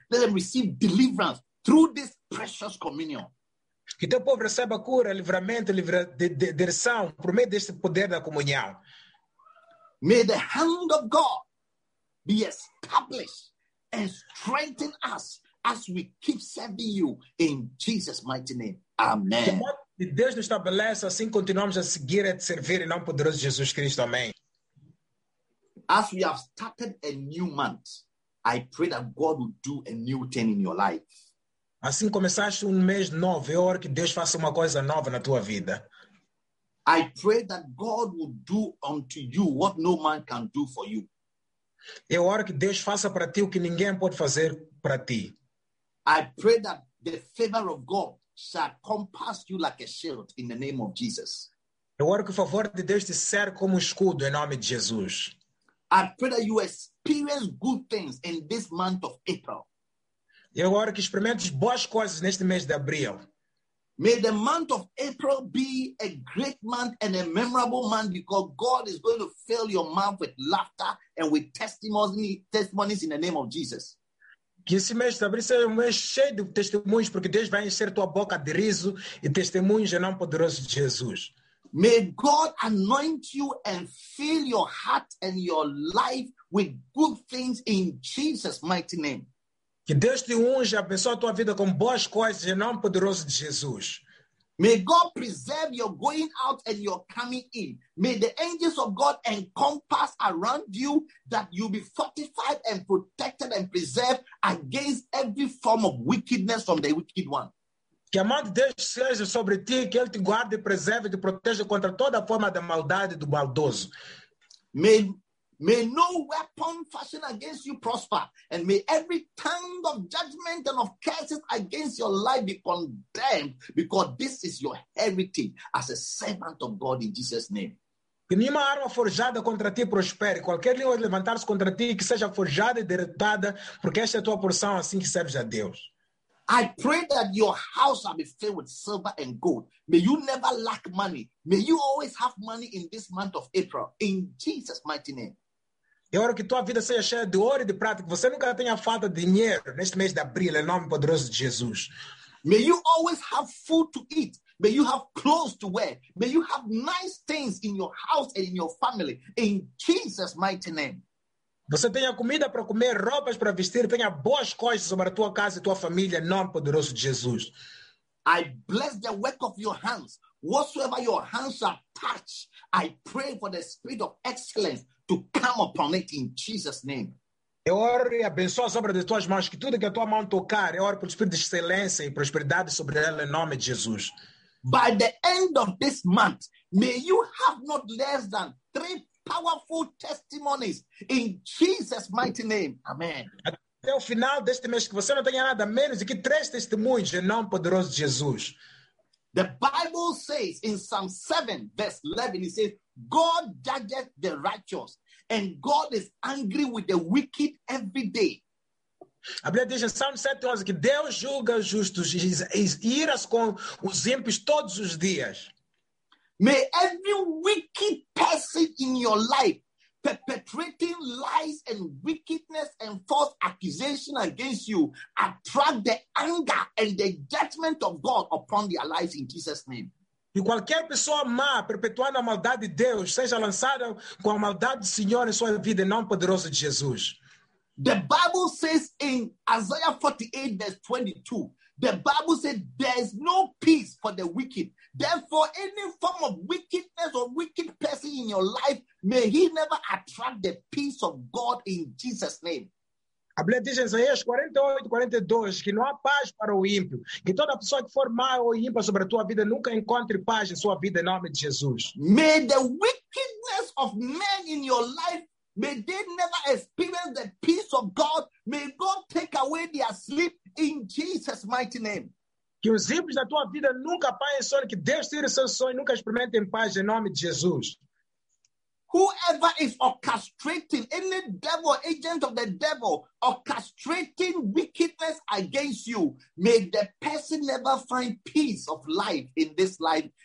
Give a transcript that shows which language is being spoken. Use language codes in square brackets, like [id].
[en] Let them receive deliverance through this precious communion. [pt] Que teu povo receba cura, livramento, direção, por meio deste poder da comunhão. [en] May the hand of God be established and strengthen us as we keep serving you in Jesus' mighty name. Amen. [pt] Que Deus nos estabeleça, assim continuamos a seguir e a servir em nome poderoso de Jesus Cristo. Amém. [en] As we have started a new month, I pray that God will do a new thing in your life. [pt] Assim começaste mês novo, eu oro que Deus faça uma coisa nova na tua vida. [en] I pray that God will do unto you what no man can do for you. [pt] Eu oro que Deus faça para ti o que ninguém pode fazer para ti. [en] I pray that the favor of God shall compass you like a shield in the name of Jesus. [pt] Eu oro que o favor de Deus te cerque como escudo em nome de Jesus. [en] I pray that you experience good things in this month of April. [pt] E agora que experimentes boas coisas neste mês de abril. [en] May the month of April be a great month and a memorable month because God is going to fill your mouth with laughter and with testimonies in the name of Jesus. [pt] Que esse mês de abril seja um mês cheio de testemunhos porque Deus vai encher tua boca de riso e testemunhos em nome poderoso de Jesus. [en] May God anoint you and fill your heart and your life with good things in Jesus' mighty name. [pt] Que Deus te unja e abençoe a tua vida com boas coisas em nome poderoso de Jesus. [en] May God preserve your going out and your coming in. May the angels of God encompass around you that you be fortified and protected and preserved against every form of wickedness from the wicked one. [pt] Que a mão de Deus seja sobre ti, que Ele te guarde, preserve e te proteja contra toda forma de maldade do maldoso. [en] May no weapon fashioned against you prosper, and may every tongue of judgment and of curses against your life be condemned, because this is your heritage as a servant of God in Jesus' name. [pt] Que nenhuma arma forjada contra ti prospere, qualquer língua levantar-se contra ti, que seja forjada e derrotada, porque esta é a tua porção, assim que serves a Deus. [en] I pray that your house shall be filled with silver and gold. May you never lack money. May you always have money in this month of April. In Jesus' mighty name. [pt] Eu oro que tua vida seja cheia de ouro e de prata, que você nunca tenha falta de dinheiro neste mês de abril, em nome poderoso de Jesus. [en] May you always have food to eat. May you have clothes to wear. May you have nice things in your house and in your family. In Jesus' mighty name. [pt] Você tenha comida para comer, roupas para vestir, tenha boas coisas sobre a tua casa e tua família, em nome poderoso de Jesus. [en] I bless the work of your hands. Whatsoever your hands shall touch, I pray for the spirit of excellence to come upon it in Jesus' name. [pt] Eu oro e abençoo as obras das tuas mãos, que tudo que a tua mão tocar, eu oro pelo espírito de excelência e prosperidade sobre ela, em nome de Jesus. [en] By the end of this month, may you have not less than 3 powerful testimonies in Jesus' mighty name. Amen. [pt] Até o final deste mês que você não tenha nada menos do que três testemunhos em nome poderoso de Jesus. [en] The Bible says in Psalm 7, verse 11, it says, God judges the righteous, and God is angry with the wicked every day. [pt] A Bíblia diz em Psalm 7, 11, que Deus julga os justos e iras com os ímpios todos os dias. [en] May every wicked person in your life perpetrating lies and wickedness and false accusation against you attract the anger and the judgment of God upon their lives in Jesus' name. [pt] E qualquer pessoa má perpetuando a maldade de Deus seja lançada com a maldade do Senhor em sua vida em nome poderoso de Jesus. [en] The Bible says in Isaiah 48, verse 22, the Bible says there's no peace for the wicked. Therefore, any form of wickedness or wicked person in your life, may he never attract the peace of God in Jesus' name. [pt] A Bíblia diz em Isaías 48:42 que não há paz para o ímpio. Que toda pessoa que for má ou ímpia sobre a tua vida nunca encontre paz em sua vida em nome de Jesus. [en] May the wickedness of men in your life, may they never experience the peace of God. May God take away their sleep in Jesus' mighty name. [pt] Que os ímpios da tua vida nunca apanhem sono, que Deus tire o seu sonho e nunca experimentem paz em nome de Jesus. [en] Whoever is orchestrating, any devil, agent of the devil, orchestrating wickedness against you, may the person never find peace of life in this life.